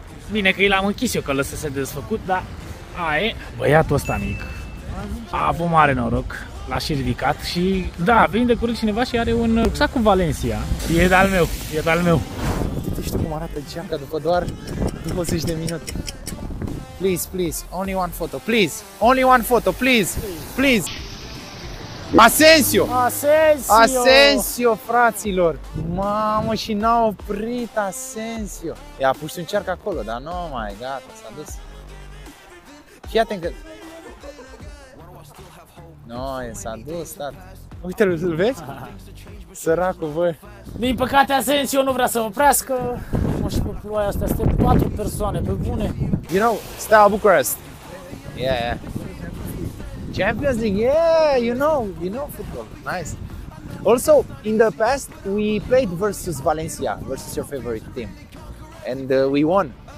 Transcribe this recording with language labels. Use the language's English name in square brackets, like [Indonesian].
[Romanian] Bine că l-am închis eu că lăsese desfăcut, dar aia. Băiatul ăsta mic a avut mare noroc, l-a și ridicat și da, vine de curând cineva și are un rucsac cu Valencia. E de-al meu, e de-al meu. Nu știu cum arată geaca după doar 20 de minute. [English] Please, please, only one photo, please, only one photo, please, please. [Romanian] Asensio! Asensio! Asensio, fraților! Mamă, și n-a oprit Asensio! I-a pus un cerc acolo, dar nu mai, gata, s-a dus. Fii atent că... No, s-a dus, tata. Uite-l, îl vezi? Săracul, bă! Din păcate, Asensio nu vrea să oprească. Mă, și pe ploaia asta, suntem 4 persoane, pe bune. [English] You know, Steaua București. Yeah, yeah. Champions League, yeah, you know football, nice. Also, in the past, we played versus Valencia, versus your favorite team, and we won.